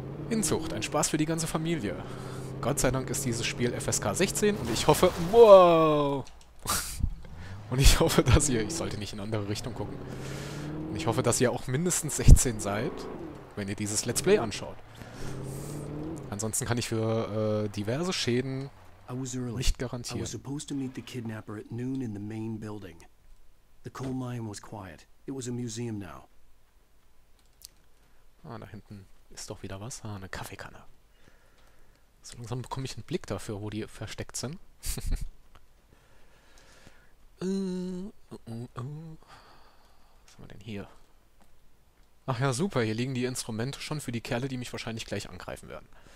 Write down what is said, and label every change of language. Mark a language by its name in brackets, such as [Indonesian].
[German] Inzucht, ein Spaß für die ganze Familie. Gott sei Dank ist dieses Spiel FSK 16 und ich hoffe... Wow! Und ich hoffe, dass ihr... Ich sollte nicht in andere Richtung gucken. Ich hoffe, dass ihr auch mindestens 16 seid, wenn ihr dieses Let's Play anschaut. Ansonsten kann ich für diverse Schäden nicht garantieren. [English] I was supposed to meet the kidnapper at noon in the main building. The coal mine was quiet. It was a museum now. [German] Ah, da hinten ist doch wieder was. Ah, eine Kaffeekanne. So langsam bekomme ich einen Blick dafür, wo die versteckt sind. Was haben wir denn hier? Ach ja, super, hier liegen die Instrumente schon für die Kerle, die mich wahrscheinlich gleich angreifen werden.